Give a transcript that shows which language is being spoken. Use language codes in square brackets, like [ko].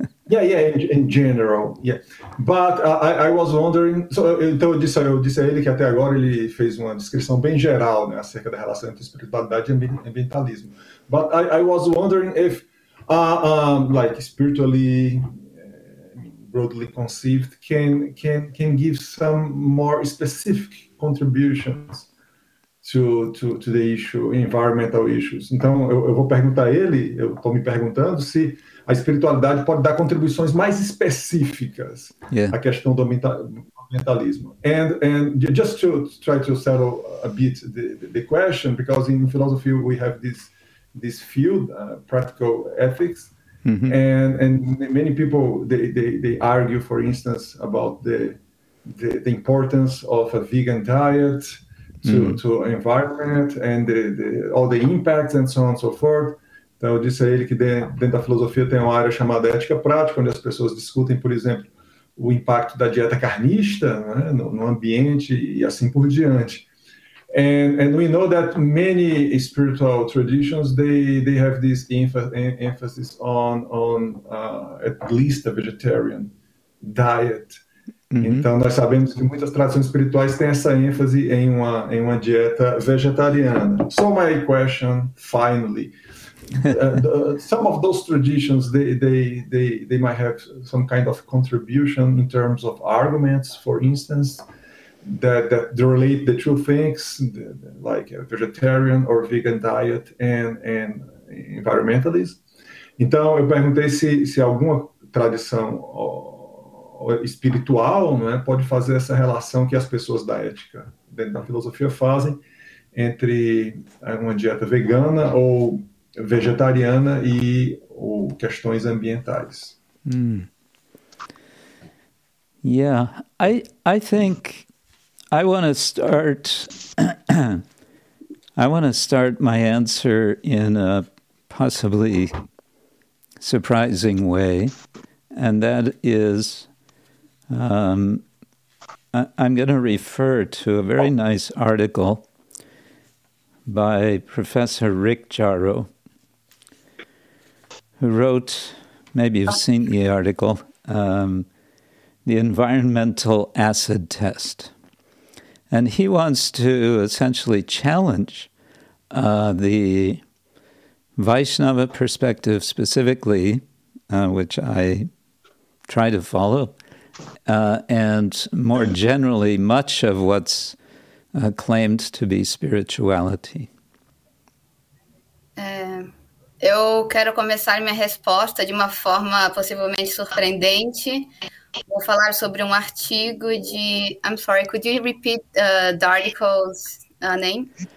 [en] in general, yeah. But I was wondering, [pt] eu disse a ele que até agora ele fez uma descrição bem geral, né, acerca da relação entre espiritualidade e ambientalismo. [en] But I was wondering if, like, spiritually, broadly conceived, can give some more specific contributions to the issue, environmental issues. [pt] Então, eu vou perguntar a ele, eu estou me perguntando se a espiritualidade pode dar contribuições mais específicas à questão do ambientalismo. [en] And just to try to settle a bit the question, because in philosophy we have this field, practical ethics, mm-hmm. and many people, they argue, for instance, about the importance of a vegan diet to environment and the all the impacts and so on and so forth. [pt] Então, eu disse a ele que dentro da filosofia tem uma área chamada ética prática, onde as pessoas discutem, por exemplo, o impacto da dieta carnista, né, no ambiente e assim por diante. [en] And we know that many spiritual traditions, they have this emphasis on at least a vegetarian diet. Uhum. [pt] Então, nós sabemos que muitas tradições espirituais têm essa ênfase em uma dieta vegetariana. [en] So my question, finally... some of those traditions, they might have some kind of contribution in terms of arguments, for instance, that relate the two things, like a vegetarian or vegan diet and environmentalism. [pt] Então, eu perguntei se alguma tradição espiritual, né, pode fazer essa relação que as pessoas da ética, dentro da filosofia, fazem entre uma dieta vegana ou vegetariana e ou questões ambientais. [en] Yeah, I think I want to start I want to start my answer in a possibly surprising way, and that is I'm going to refer to a very nice article by Professor Rick Jarro, who wrote, maybe you've seen the article, The Environmental Acid Test. And he wants to essentially challenge the Vaishnava perspective specifically, which I try to follow, and more generally, much of what's claimed to be spirituality. [pt] Eu quero começar minha resposta de uma forma possivelmente surpreendente. Vou falar sobre um artigo de... [en] I'm sorry, could you repeat the article's name?